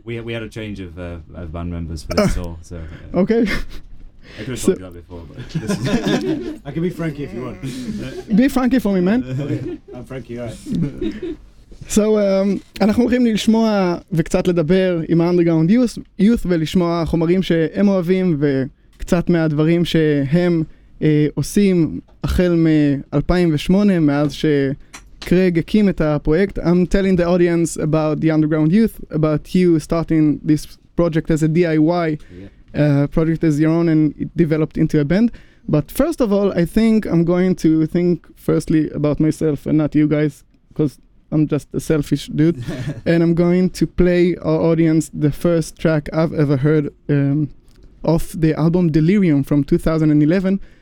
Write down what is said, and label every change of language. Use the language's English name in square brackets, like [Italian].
[English] We had a change of band members for this tour, so. Yeah. Okay. I could have told you that before, but this is I can be Frankie if you want. Be Frankie for me, man. Okay. I'm Frankie, alright. [Hebrew] So, אנחנו הולכים לשמוע וקצת לדבר עם ה-Underground Youth ולשמוע חומרים שהם אוהבים וקצת מהדברים שהם עושים החל מ-2008, מאז שקרג הקים את הפרויקט. [English] I'm telling the audience about the Underground Youth, about you starting this project as a DIY project as your own, and it developed into a band. But first of all, I think I'm going to think firstly about myself and not you guys, because I'm just a selfish dude, and I'm going to play our audience the first track I've ever heard off the album Delirium from 2011.